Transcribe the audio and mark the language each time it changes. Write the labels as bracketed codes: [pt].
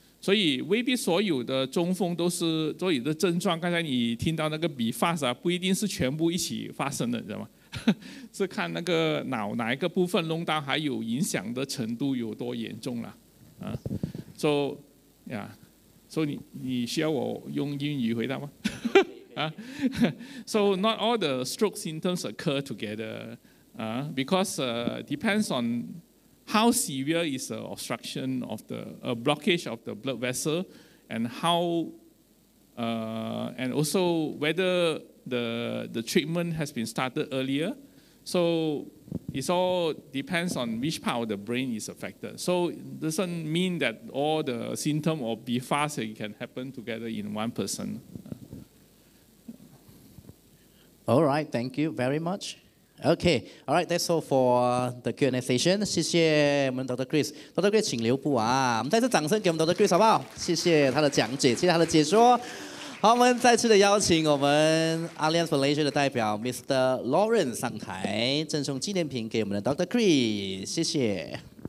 [zh] 所以未必所有的中风都是所有的症状，刚才你听到那个 BFAST 啊，不一定是全部一起发生的，知道吗？是看那个脑哪一个部分弄到，还有影响的程度有多严重了。啊，所以你需要我用英语回答吗？ [en] So not all the stroke symptoms occur together, because depends onHow severe is the obstruction of the blockage of the blood vessel, and how, and also whether the treatment has been started earlier. So it all depends on which part of the brain is affected. So it doesn't mean that all the symptoms of BFAST can happen together in one person. All right, thank you very much. Okay, all right, that's all for the Q&A session. [zh] 谢谢我们 Dr. Chris. Dr. Chris, 请留步啊。我们再次掌声给我们 Dr. Chris, 好不好？谢谢他的讲解，谢谢他的解说。好，我们再次的邀请我们 Alliance Malaysia 的代表 Mr. Lawrence 上台，赠送纪念品给我们的 Dr. Chris. 谢谢。